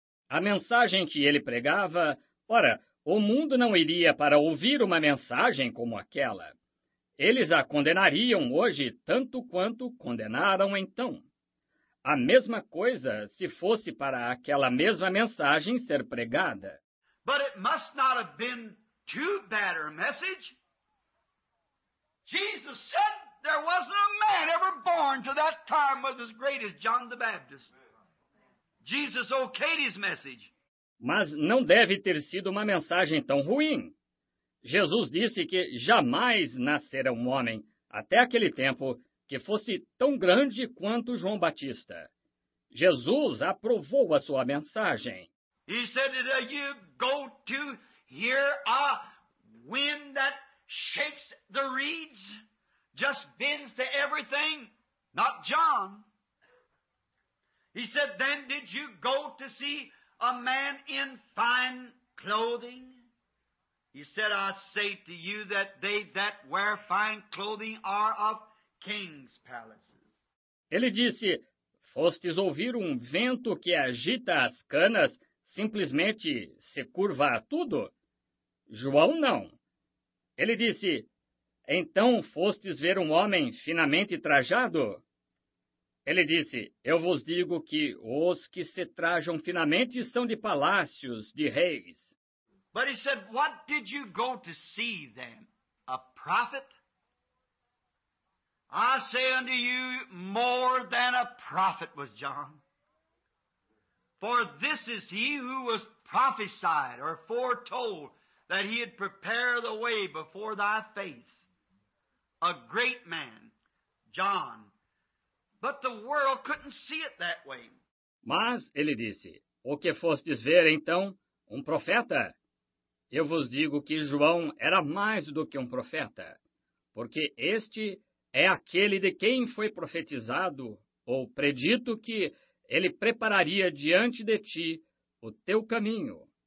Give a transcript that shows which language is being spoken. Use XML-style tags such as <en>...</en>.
<pt>A mensagem que ele pregava, ora, o mundo não iria para ouvir uma mensagem como aquela. Eles a condenariam hoje tanto quanto condenaram então. A mesma coisa se fosse para aquela mesma mensagem ser pregada.</pt> <en>But it must not have been too bad a message. Jesus said there wasn't a man ever born to that time was as great as John the Baptist. Jesus okayed his message.</en> <pt>Mas não deve ter sido uma mensagem tão ruim. Jesus disse que jamais nascera um homem, até aquele tempo, que fosse tão grande quanto João Batista. Jesus aprovou a sua mensagem.</pt> <en>He said that you go to hear a wind that shakes the reeds, just bends to everything, not John. He said, then did you go to see a man in fine clothing? He said, I say to you that they that wear fine clothing are of kings' palaces.</en> <pt>Ele disse, fostes ouvir vento que agita as canas, simplesmente se curva a tudo? João não. Ele disse, então fostes ver homem finamente trajado? Ele disse, eu vos digo que os que se trajam finamente são de palácios, de reis.</pt> <en>But he said, what did you go to see then? A prophet? I say unto you, more than a prophet was John. For this is he who was prophesied or foretold, that he had prepared the way before thy face, a great man, John. But the world couldn't see it that way.</en> <pt>Mas, ele disse, o que fostes ver, então, profeta? Eu vos digo que João era mais do que profeta, porque este é aquele de quem foi profetizado, ou predito que ele prepararia diante de ti o teu caminho.</pt>